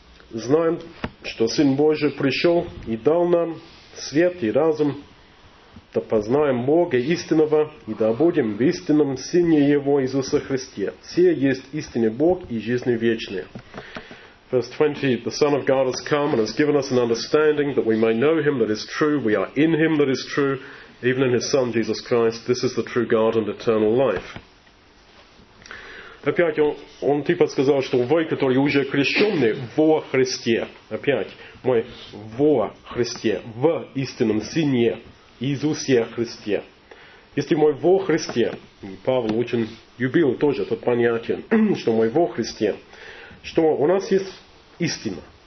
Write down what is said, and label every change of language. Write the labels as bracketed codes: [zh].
[ru] Знаем, что Сын Божий пришел и дал нам свет и разум, да познаем Бога истинного и да будем в истинном Сыне Его Иисуса Христе. Все есть истинный Бог и жизнь вечная. [en] Verse 20, the Son of God has come and has given us an understanding that we may know Him that is true, we are in Him that is true, even in His Son Jesus Christ, this is the true God and eternal life. [ru] Опять он типа сказал, что вы, которые уже крещены во Христе, опять мы во Христе, в истинном Сыне Иисусе Христе. Если мы во Христе, Павел очень любил тоже это понятие, что мы во Христе, что у нас есть истина.